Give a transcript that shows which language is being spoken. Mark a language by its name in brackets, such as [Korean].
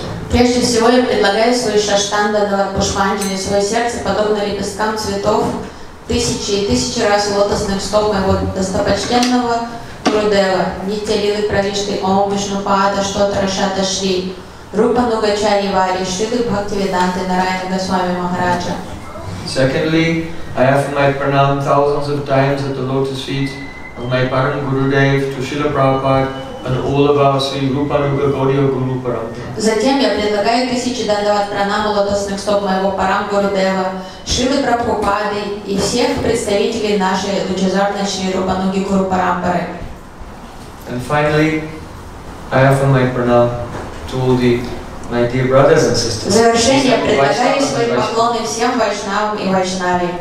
[Russian] Прежде всего я предлагаю свою шаштанду на Пушпанджали, свое сердце, подобно лепесткам цветов, тысячи и тысячи раз в лотосных стоп моего достопочтенного Гурудева, нити лилы правишты, ом вишну паата, что трашата шри, рупа нугачари вари, шриды бхакти веданты на райна Госвами Махараджа. [English] Secondly, I offer my pranam thousands of times at the lotus feet of my Param Gurudev, to Srila Prabhupada, and all of our Sri Rupa Nuga Gaudiya Guru Parampara. And finally, I offer my pranam to all the my dear brothers and sisters. [Russian] Завершение предлагаю свои поклоны всем вайшнавам и вайшнаве.